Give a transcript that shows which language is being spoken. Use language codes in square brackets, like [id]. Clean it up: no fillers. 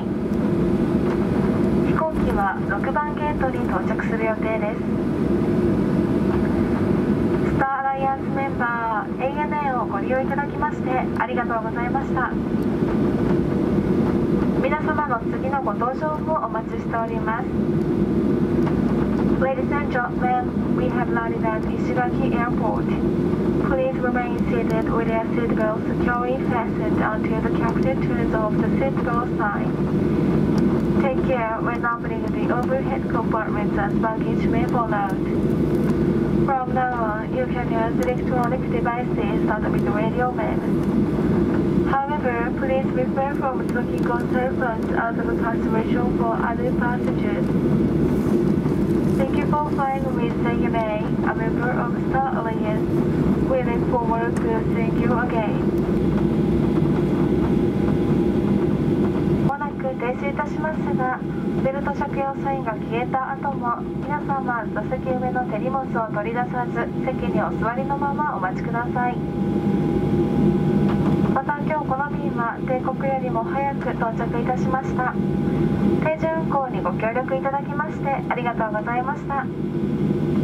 [ja] 飛行機は6番ゲートに到着する予定です。メンバー ANA をご利用いただきましてありがとうございました。皆様の次のご搭乗をお待ちしております。 [en] Ladies and gentlemen, we have landed at Ishigaki Airport. Please remain seated with your seat belt securely fastened until the captain turns off the seat belt sign. Take care when opening the overhead compartments as baggage may fall out. From now on, you can use electronic devices not with radio waves. However, please refrain from talking on cell phones out of consideration for other passengers. Thank you for flying with ANA, a member of Star Alliance. We look forward to seeing you again. [ja] まもなく停止いたしますが、ベルト着用サインが消えた後も皆様座席上の手荷物を取り出さず席にお座りのままお待ちください。また今日この便は定刻よりも早く到着いたしました。定時運行にご協力いただきましてありがとうございました。